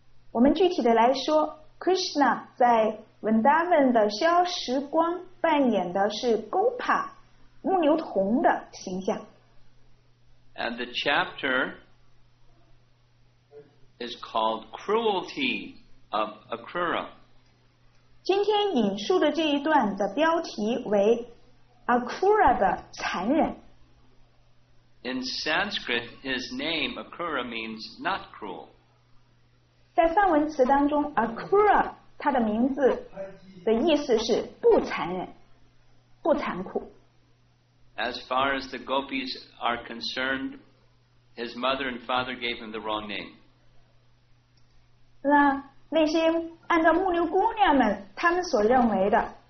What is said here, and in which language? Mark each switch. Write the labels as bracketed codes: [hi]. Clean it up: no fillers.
[zh] 我们具体的来说 ，Krishna 在 Vrindavan 的逍遥时光扮演的是 Gopa 牧牛童的形象。 [en] And the chapter is called Cruelty of Akura. [zh] 今天引述的这一段的标题为。 Akura 的残忍。 [en] In Sanskrit, his name Akura means not cruel. [zh] 在梵文词当中 ，Akura 他的名字的意思是不残忍，不残酷。 [en] As far as the gopis are concerned, his mother and father gave him the wrong name. [zh] 那些按照牧牛姑娘们他们所认为的。